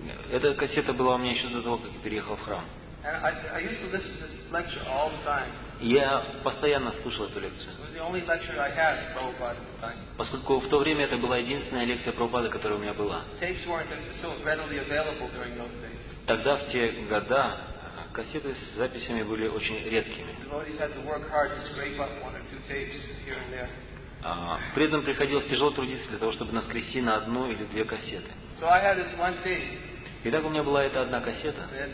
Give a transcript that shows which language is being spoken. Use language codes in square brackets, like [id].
[ru] Эта кассета была у меня еще до того, как я переехал в храм. [en] I used to listen to this lecture all the time. [ru] Я постоянно слушал эту лекцию. [en] It was the only lecture I had for Prabhupada at the time. [ru] Поскольку в то время это была единственная лекция Прабхупады, которая у меня была. [en] Tapes weren't so readily available during those days. [ru] Тогда, в те года, кассеты с записями были очень редкими. [en] Devotees had to work hard to scrape up one or two tapes here and there. [ru] При этом приходилось тяжело трудиться для того, чтобы наскрести на одну или две кассеты. [en] So I had this one thing. [ru] Итак, у меня была эта одна кассета.